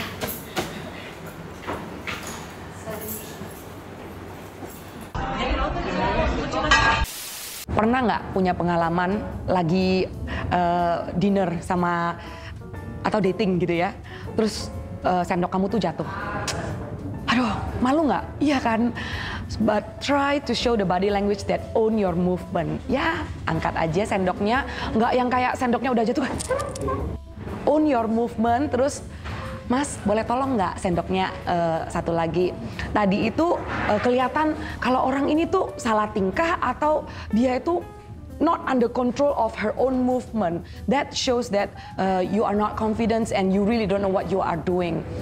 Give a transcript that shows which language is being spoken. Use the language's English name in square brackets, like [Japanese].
[Indonesian] Pernah nggak punya pengalaman lagi dinner sama atau dating gitu ya? Terus sendok kamu tuh jatuh. Aduh, malu nggak? Iya kan? [English] But try to show the body language that own your movement. [Indonesian] Ya, angkat aja sendoknya. Nggak yang kayak sendoknya udah jatuh. [English] Own your movement, [Indonesian] terus, Mas, boleh tolong nggak sendoknya satu lagi? Tadi itu kelihatan kalau orang ini tuh salah tingkah atau dia itu [English] not under control of her own movement. That shows that you are not confident and you really don't know what you are doing.